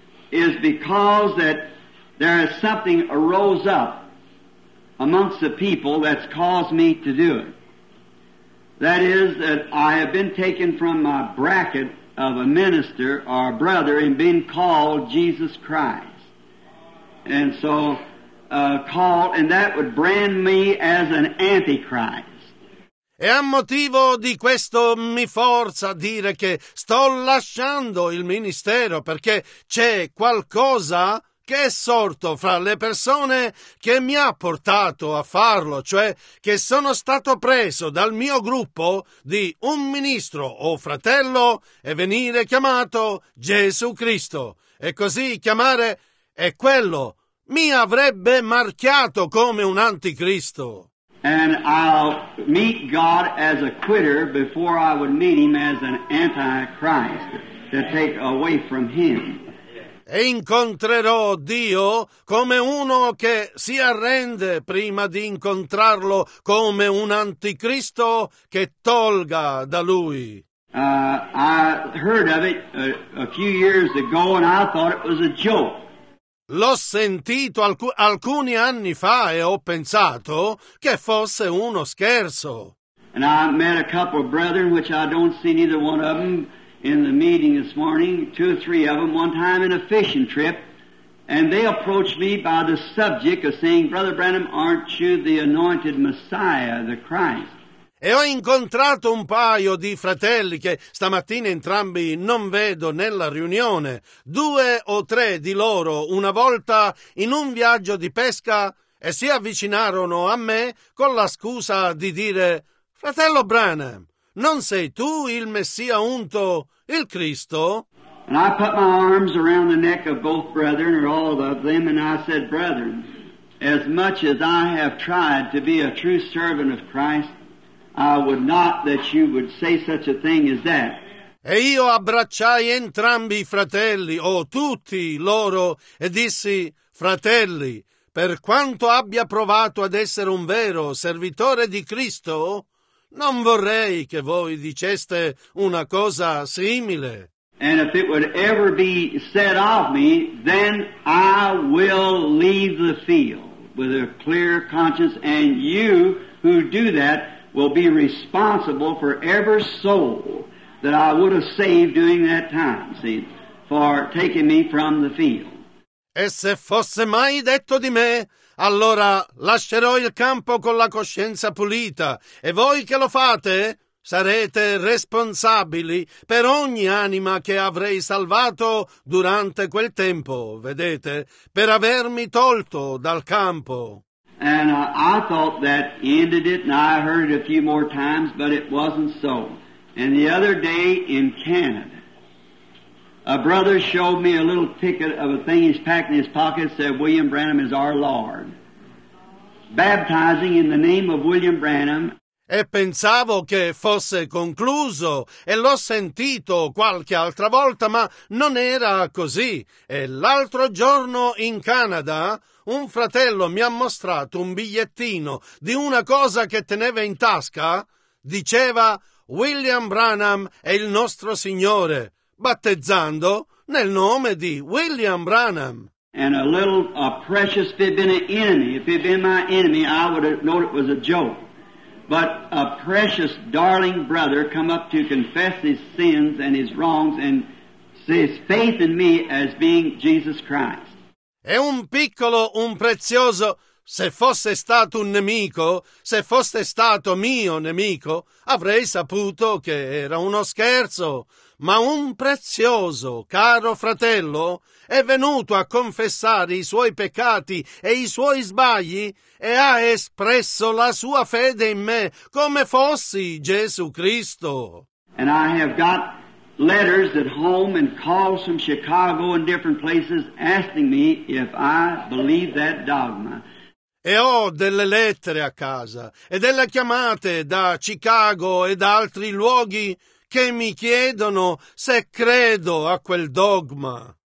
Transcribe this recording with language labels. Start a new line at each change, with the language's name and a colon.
English: Is because that there is something arose up amongst the people that's caused me to do it. That is that I have been taken from my bracket of a minister or a brother and been called Jesus Christ. And so called, and that would brand me as an antichrist.
Italian: E a motivo di questo mi forza a dire che sto lasciando il ministero perché c'è qualcosa che è sorto fra le persone che mi ha portato a farlo, cioè che sono stato preso dal mio gruppo di un ministro o fratello e venire chiamato Gesù Cristo. E così chiamare è quello, mi avrebbe marchiato come un anticristo.
English: And I'll meet God as a quitter before I would meet him as an antichrist to take away from him.
Italian: E incontrerò Dio come uno che si arrende prima di incontrarlo come un anticristo che tolga da lui.
English: I heard of it a few years ago and I thought it was a joke.
Italian: L'ho sentito alcuni anni fa e ho pensato che fosse uno scherzo.
English: And I met a couple of brethren, which I don't see neither one of them in the meeting this morning, two or three of them, one time in a fishing trip, and they approached me by the subject of saying, Brother Branham, aren't you the anointed Messiah, the Christ?
Italian: E ho incontrato un paio di fratelli che stamattina entrambi non vedo nella riunione, due o tre di loro una volta in un viaggio di pesca e si avvicinarono a me con la scusa di dire «Fratello Branham, non sei tu il Messia unto, il Cristo?»
English: And I put my arms around the neck of both brethren or all of them and I said, Brethren, as much as I have tried to be a true servant of Christ, I would not that you would say such a thing as that.
Italian: E io abbracciai entrambi i fratelli, o tutti loro, e dissi, fratelli, per quanto abbia provato ad essere un vero servitore di Cristo, non vorrei che voi diceste una cosa simile.
English: And if it would ever be said of me, then I will leave the field with a clear conscience, and you who do that will be responsible for every soul that I would have saved during that time, see, for taking me from the field.
Italian: E se fosse mai detto di me, allora lascerò il campo con la coscienza pulita, e voi che lo fate sarete responsabili per ogni anima che avrei salvato durante quel tempo, vedete, per avermi tolto dal campo.
English: And I thought that ended it, and I heard it a few more times, but it wasn't so. And the other day in Canada, a brother showed me a little ticket of a thing he's packed in his pocket, said, William Branham is our Lord. Baptizing in the name of William Branham.
Italian: E pensavo che fosse concluso, e l'ho sentito qualche altra volta, ma non era così. E l'altro giorno in Canada, un fratello mi ha mostrato un bigliettino di una cosa che teneva in tasca. Diceva, William Branham è il nostro Signore, battezzando nel nome di William Branham.
English: And a little, a precious, if it had been an enemy, if it had been my enemy, I would have known it was a joke. But a precious, darling brother come up to confess his sins and his wrongs and says faith in me as being Jesus Christ.
Italian: È un piccolo, un prezioso, se fosse stato un nemico, se fosse stato mio nemico, avrei saputo che era uno scherzo. Ma un prezioso, caro fratello, è venuto a confessare i suoi peccati e i suoi sbagli e ha espresso la sua fede in me come fossi Gesù Cristo.
English: And I have got letters at home and calls from Chicago and different places asking me if I believe that dogma.
Italian: e ho delle lettere a casa e delle chiamate da Chicago e da altri luoghi che mi chiedono se credo a quel dogma.